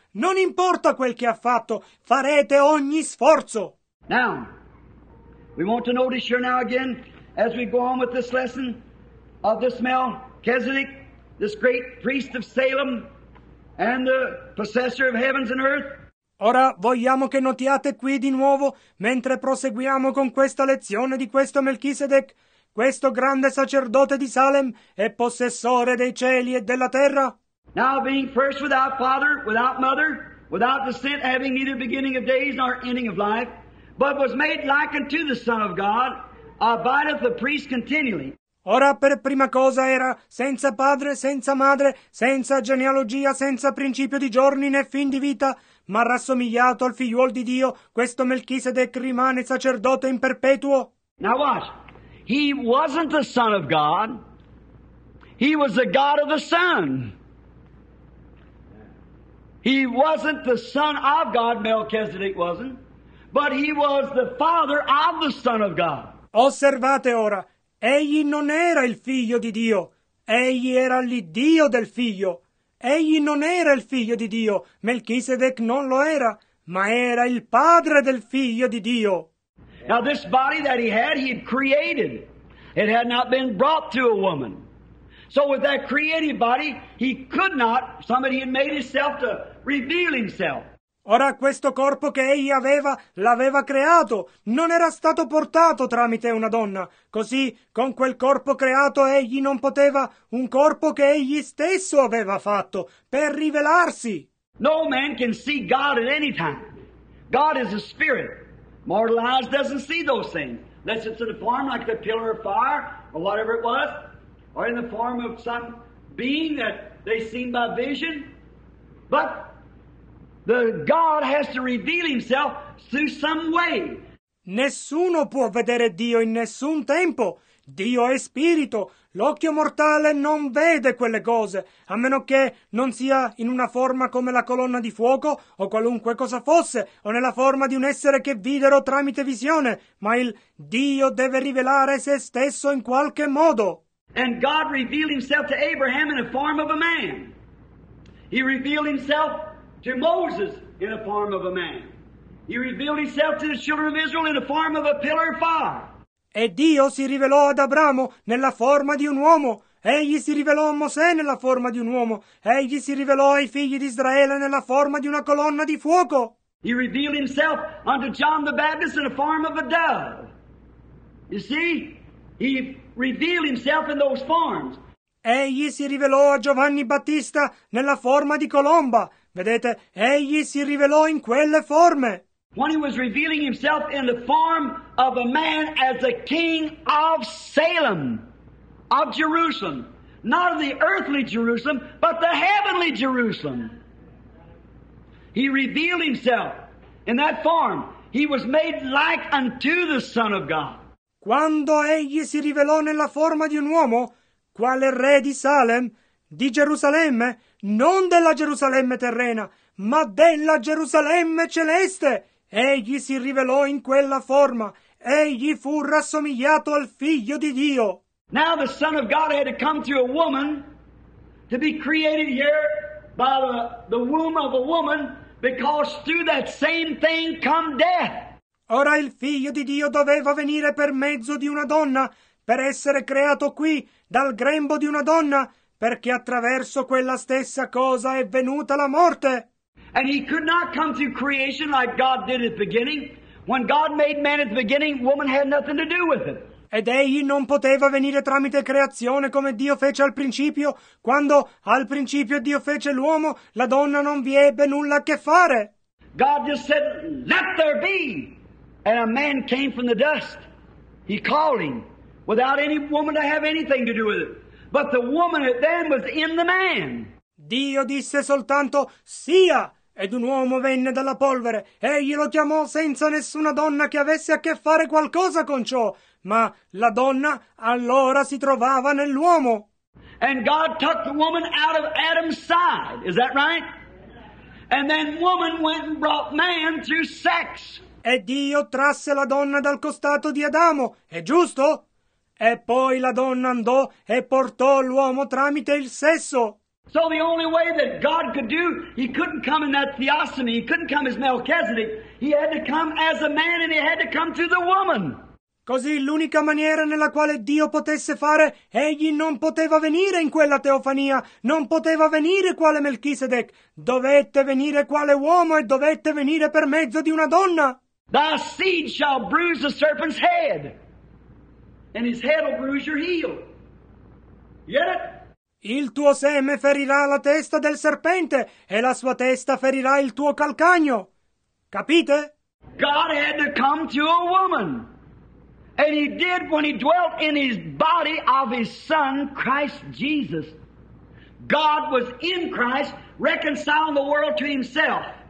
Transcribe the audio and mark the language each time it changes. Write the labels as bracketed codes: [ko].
[it] Non importa quel che ha fatto. Farete ogni sforzo. [en] Now, we want to notice here now again as we go on with this lesson. Of this Melchizedek, this great priest of Salem, and the possessor of heavens and earth. [it] Ora vogliamo che notiate qui di nuovo, mentre proseguiamo con questa lezione di questo Melchisedec, questo grande sacerdote di Salem e possessore dei cieli e della terra. [en] Now being first without father, without mother, without the sin, having neither beginning of days nor ending of life, but was made like unto the Son of God, abideth the priest continually. [it] Ora per prima cosa era senza padre, senza madre, senza genealogia, senza principio di giorni né fin di vita, ma rassomigliato al figliuol di Dio, questo Melchisedec rimane sacerdote in perpetuo. [en] Now watch. He wasn't the Son of God. He was the God of the Son. He wasn't the Son of God, Melchizedek wasn't, but he was the Father of the Son of God. [it] Osservate ora, egli non era il figlio di Dio, egli era l'Iddio del figlio. Egli non era il figlio di Dio, Melchizedek non lo era, ma era il padre del figlio di Dio. [en] Now this body that he had created. It had not been brought to a woman. So with that creative body, he could not, somebody had made himself to reveal himself. [it] Ora questo corpo che egli aveva, l'aveva creato, non era stato portato tramite una donna. Così, con quel corpo creato, egli non poteva, un corpo che egli stesso aveva fatto, per rivelarsi. [en] No man can see God at any time. God is a spirit. Mortal eyes doesn't see those things. Unless it's in the form like the pillar of fire, or whatever it was, or in the form of some being that they seen by vision. But the God has to reveal himself through some way. [it] Nessuno può vedere Dio in nessun tempo. Dio è spirito. L'occhio mortale non vede quelle cose, a meno che non sia in una forma come la colonna di fuoco o qualunque cosa fosse, o nella forma di un essere che videro tramite visione, ma il Dio deve rivelare se stesso in qualche modo. [en] And God revealed himself to Abraham in a form of a man. He revealed himself to Moses in a form of a man. He revealed himself to the children of Israel in a form of a pillar of fire. [it] E Dio si rivelò ad Abramo nella forma di un uomo. Egli si rivelò a Mosè nella forma di un uomo. Egli si rivelò ai figli di Israele nella forma di una colonna di fuoco. [en] He revealed himself unto John the Baptist in a form of a dove. You see? He revealed himself in those forms. [it] Egli si rivelò a Giovanni Battista nella forma di colomba. Vedete, egli si rivelò in quelle forme. [en] When he was revealing himself in the form of a man as a king of Salem, of Jerusalem. Not of the earthly Jerusalem, but the heavenly Jerusalem. He revealed himself in that form. He was made like unto the Son of God. [it] Quando egli si rivelò nella forma di un uomo, quale re di Salem, di Gerusalemme, non della Gerusalemme terrena, ma della Gerusalemme celeste, egli si rivelò in quella forma. Egli fu rassomigliato al figlio di Dio. [en] Now the Son of God had to come through a woman to be created here by the womb of a woman, because through that same thing come death. [it] Ora il figlio di Dio doveva venire per mezzo di una donna, per essere creato qui dal grembo di una donna, perché attraverso quella stessa cosa è venuta la morte. [en] And he could not come through creation like God did at the beginning. When God made man at the beginning, woman had nothing to do with it. [it] Ed egli non poteva venire tramite creazione come Dio fece al principio. Quando al principio Dio fece l'uomo, la donna non vi ebbe nulla a che fare. [en] God just said, let there be. And a man came from the dust. He called him without any woman to have anything to do with it. But the woman at then was in the man. [it] Dio disse soltanto, sia! Ed un uomo venne dalla polvere. Egli lo chiamò senza nessuna donna che avesse a che fare qualcosa con ciò. Ma la donna allora si trovava nell'uomo. [en] And God took the woman out of Adam's side. Is that right? And then woman went and brought man through sex. [it] E Dio trasse la donna dal costato di Adamo. È giusto? E poi la donna andò e portò l'uomo tramite il sesso. [en] So the only way that God could do, he couldn't come in that theosomy, he couldn't come as Melchizedek, he had to come as a man and he had to come through the woman. [it] Così l'unica maniera nella quale Dio potesse fare, egli non poteva venire in quella teofania, non poteva venire quale Melchizedek, dovette venire quale uomo e dovette venire per mezzo di una donna. [en] Thy seed shall bruise the serpent's head, and his head will bruise your heel. You get it? [it] Il tuo seme ferirà la testa del serpente e la sua testa ferirà il tuo calcagno. Capite? [en] God had to come to a woman. And he did when he dwelt in his body of his son, Christ Jesus. God was in Christ reconciling the world to himself.